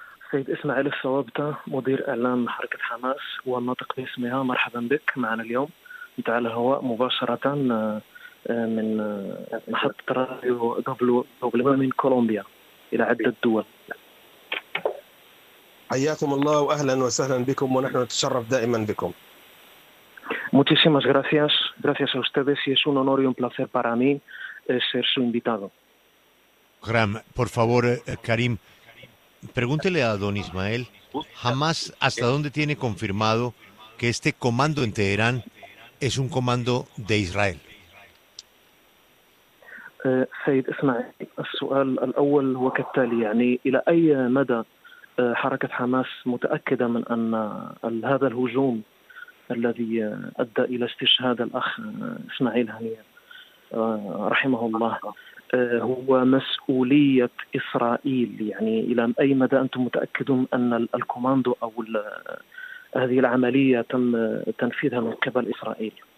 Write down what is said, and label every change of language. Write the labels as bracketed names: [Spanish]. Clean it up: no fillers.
[Arabic] سيد إسماعيل الثوابتة مدير إعلام حركة حماس والناطق باسمها مرحبا بك معنا اليوم تعال الهواء مباشرة من محطة راديو دبليو من كولومبيا إلى عدة دول حياكم الله وأهلا وسهلا بكم ونحن نتشرف دائما بكم [Spanish] Muchísimas gracias, gracias a ustedes y es un honor y un placer para mí ser su invitado. Gram, por favor, Karim, pregúntele a don Ismael, ¿Hamas hasta dónde tiene confirmado que este comando en Teherán es un comando de Israel? [Arabic] سيد إسماعيل السؤال الأول هو كالتالي يعني إلى أي مدى حركة حماس متأكدة من أن هذا الهجوم الذي أدى إلى استشهاد الأخ إسماعيل هنية رحمه الله هو مسؤولية إسرائيل يعني إلى أي مدى أنتم متأكدون أن الكوماندو أو هذه العملية تم تنفيذها من قبل إسرائيل؟